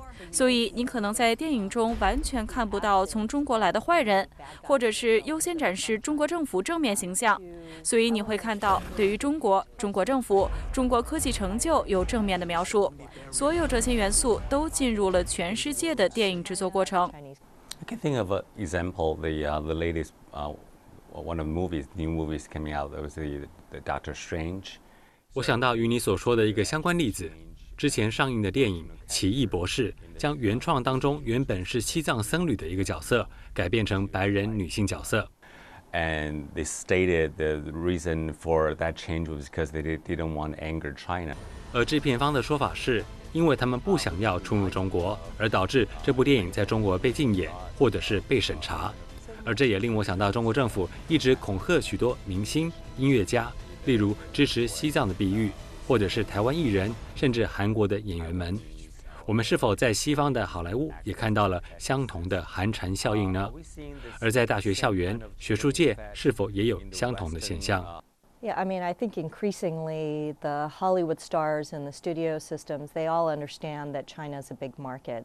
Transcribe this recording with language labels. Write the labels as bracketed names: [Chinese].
[Chinese] 所以你可能在电影中完全看不到从中国来的坏人，或者是优先展示中国政府正面形象，所以你会看到对于中国、中国政府、中国科技成就有正面的描述，所有这些元素都进入了全世界的电影制作过程。 [English] I can think of an example, the latest, one of the movies, new movies coming out, that was the Doctor Strange. [Chinese] 我想到与你所说的一个相关例子，之前上映的电影《奇异博士》将原创当中原本是西藏僧侣的一个角色改变成白人女性角色。 [English] And they stated the reason for that change was because they didn't want to anger China. [Chinese] 而制片方的说法是因为他们不想要触怒中国，而导致这部电影在中国被禁演或者是被审查。而这也令我想到中国政府一直恐吓许多明星音乐家，例如支持西藏的碧玉，或者是台湾艺人，甚至韩国的演员们。我们是否在西方的好莱坞也看到了相同的寒蝉效应呢？而在大学校园学术界是否也有相同的现象？ [English] Yeah, I mean, I think increasingly the Hollywood stars and the studio systems, they all understand that China is a big market.